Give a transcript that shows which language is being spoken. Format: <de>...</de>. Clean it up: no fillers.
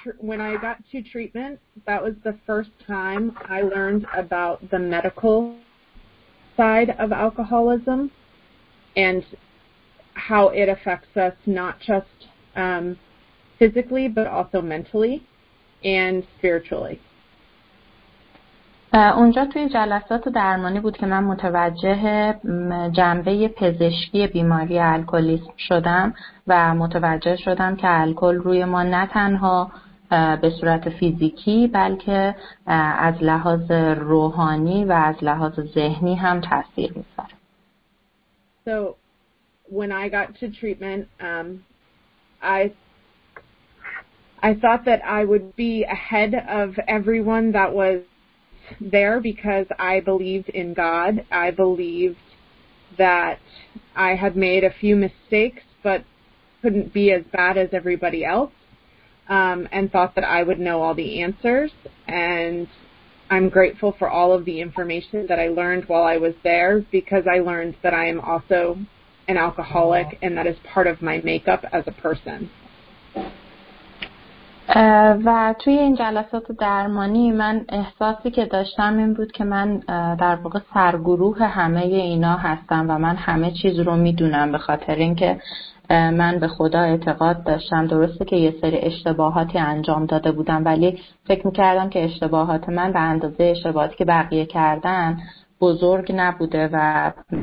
<en>When I got to treatment, that was the first time I learned about the medical side of alcoholism and how it affects us not just physically but also mentally and spiritually.</en> <fa>اونجا توی جلسات درمانی بود که من متوجه جنبه پزشکی بیماری الکلیسم شدم و متوجه شدم که الکل روی ما نه تنها به صورت فیزیکی بلکه از لحاظ روحانی و از لحاظ ذهنی هم تاثیر می‌ذاره.</fa> <en>So when I got to treatment, I thought that I would be ahead of everyone that was there because I believed in God. I believed that I had made a few mistakes but couldn't be as bad as everybody else. And thought that I would know all the answers, and I'm grateful for all of the information that I learned while I was there, because I learned that I am also an alcoholic, and that is part of my makeup as a person.</en> <fa>و توی این جلسات درمانی من احساسی که داشتم این بود که من در واقع سرگروه همه اینا هستم و من همه چیز رو میدونم، به خاطر اینکه من به خدا اعتقاد داشتم. درسته که یه سری اشتباهاتی انجام داده بودم، ولی فکر میکردم که اشتباهات من به اندازه اشتباهاتی که بقیه کردن بزرگ نبوده و</fa>